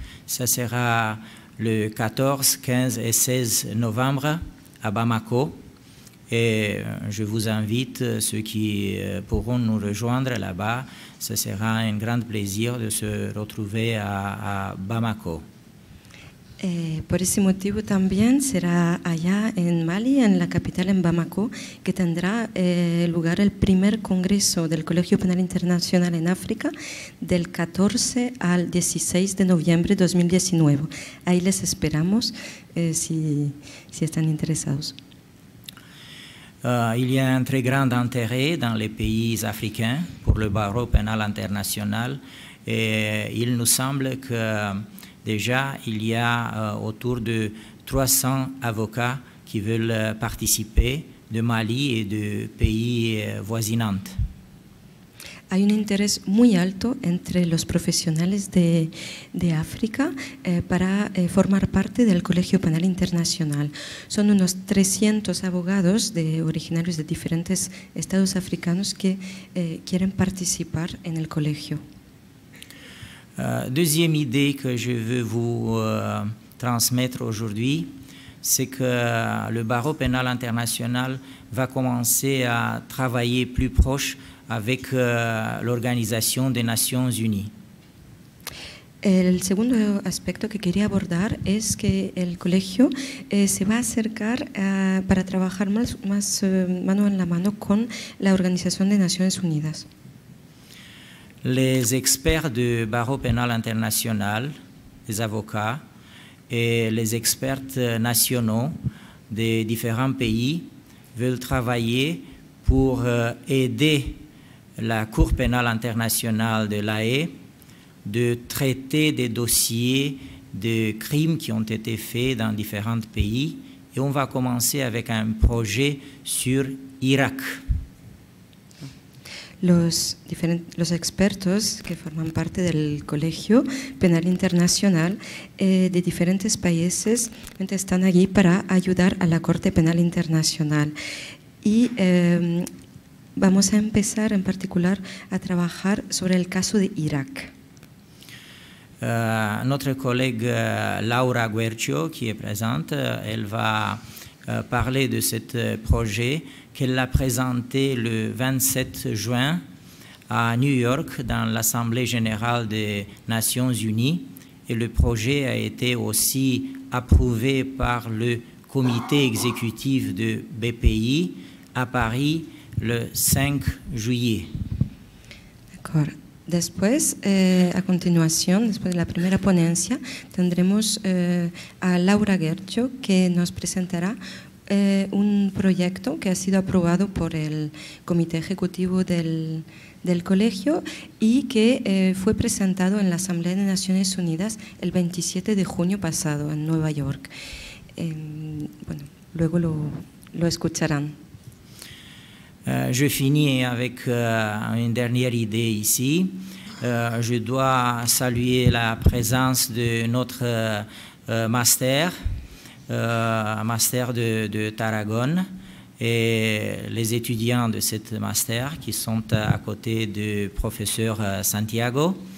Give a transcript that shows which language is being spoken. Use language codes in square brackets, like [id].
[fr] Ça sera le 14, 15 et 16 novembre à Bamako. Et je vous invite, ceux qui pourront nous rejoindre là-bas, ce sera un grand plaisir de se retrouver à Bamako. [es] Por ese motivo también será allá en Mali, en la capital, en Bamako, que tendrá lugar el primer congreso del Colegio Penal Internacional en África del 14 al 16 de noviembre de 2019. Ahí les esperamos si están interesados. [fr] Il y a un très grand intérêt dans les pays africains pour le barreau pénal international et il nous semble que déjà, il y a autour de 300 avocats qui veulent participer de Mali et de pays voisinants. [es] Hay un interés muy alto entre los profesionales de África para formar parte del Colegio Penal Internacional. Son unos 300 abogados originarios de diferentes estados africanos que quieren participar en el colegio. [fr] Deuxième idée que je veux vous transmettre aujourd'hui, c'est que le barreau pénal international va commencer à travailler plus proche avec l'Organisation des Nations Unies. [es] El segundo aspecto que quería abordar es que el colegio se va a acercar para trabajar más mano en la mano con la Organización de Naciones Unidas. [fr] Les experts du barreau pénal international, les avocats et les experts nationaux des différents pays veulent travailler pour aider la Cour pénale internationale de l'AE de traiter des dossiers de crimes qui ont été faits dans différents pays. Et on va commencer avec un projet sur l'Irak. [es] Los expertos que forman parte del Colegio Penal Internacional de diferentes países están allí para ayudar a la Corte Penal Internacional. Y vamos a empezar en particular a trabajar sobre el caso de Irak. [fr] Notre collègue Laura Guercio, qui est présente, elle va parler de ce projet qu'elle a présenté le 27 juin à New York dans l'Assemblée générale des Nations Unies et le projet a été aussi approuvé par le comité exécutif de BPI à Paris le 5 juillet. D'accord. [es] Después, a continuación, después de la primera ponencia, tendremos a Laura Guercio, que nos presentará un proyecto que ha sido aprobado por el Comité Ejecutivo del Colegio y que fue presentado en la Asamblea de Naciones Unidas el 27 de junio pasado en Nueva York. Bueno, luego lo escucharán. [fr] Je finis avec une dernière idée ici. Je dois saluer la présence de notre master de Tarragone et les étudiants de cette master qui sont à côté du professeur Santiago.